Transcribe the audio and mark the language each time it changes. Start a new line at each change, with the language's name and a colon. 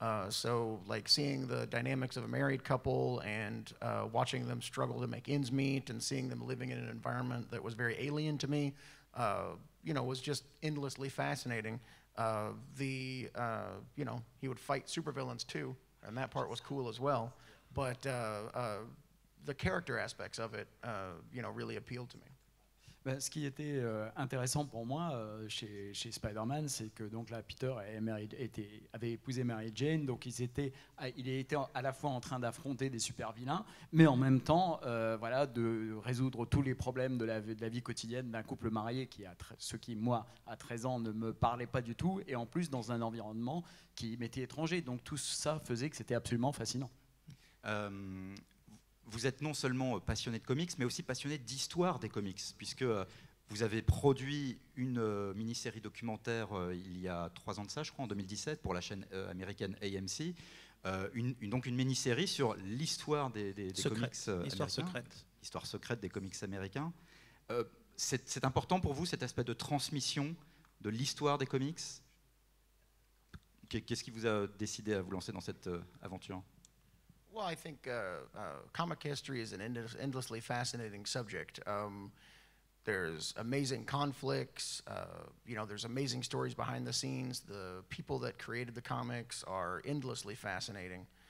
English: So seeing the dynamics of a married couple and watching them struggle to make ends meet and seeing them living in an environment that was very alien to me, was just endlessly fascinating. He would fight supervillains too, and that part was cool as well. But the character aspects of it, really appealed to me.
French: Ben, ce qui était intéressant pour moi chez Spider-Man, c'est que donc là, Peter avait épousé Mary Jane, donc il était à la fois en train d'affronter des super-vilains, mais en même temps de résoudre tous les problèmes de la vie quotidienne d'un couple marié, à 13 ans, ne me parlait pas du tout, et en plus dans un environnement qui m'était étranger. Donc tout ça faisait que c'était absolument fascinant. Vous êtes non seulement passionné de comics, mais aussi passionné d'histoire des comics, puisque vous avez produit une mini-série documentaire il y a 3 ans de ça, je crois, en 2017, pour la chaîne américaine AMC. Une mini-série sur l'histoire des comics américains. Histoire secrète. Histoire secrète des comics américains. C'est important pour vous, cet aspect de transmission de l'histoire des comics? Qu'est-ce qui vous a décidé à vous lancer dans cette aventure?
English: Well, I think comic history is an endlessly fascinating subject. There's amazing conflicts. There's amazing stories behind the scenes. The people that created the comics are endlessly fascinating.